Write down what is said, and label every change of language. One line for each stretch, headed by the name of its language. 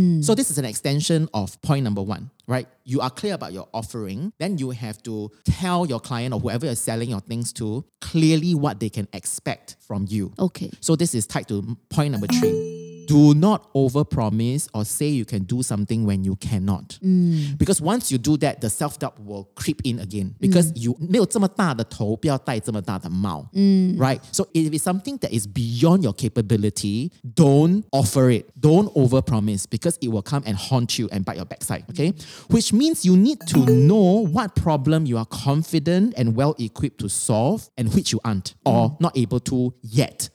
English: So this is an extension of point number one, right? You are clear about your offering, then you have to tell your client or whoever you're selling your things to clearly what they can expect from you. Okay. So this is tied to point number three. Do not overpromise or say you can do something when you cannot. Because once you do that, the self-doubt will creep in again. Because you
Chinese: 没有这么大的头，不要戴这么大的帽.
English: Right? So if it's something that is beyond your capability, don't offer it. Don't overpromise because it will come and haunt you and bite your backside. Okay? Which means you need to know what problem you are confident and well-equipped to solve and which you aren't or not able to yet.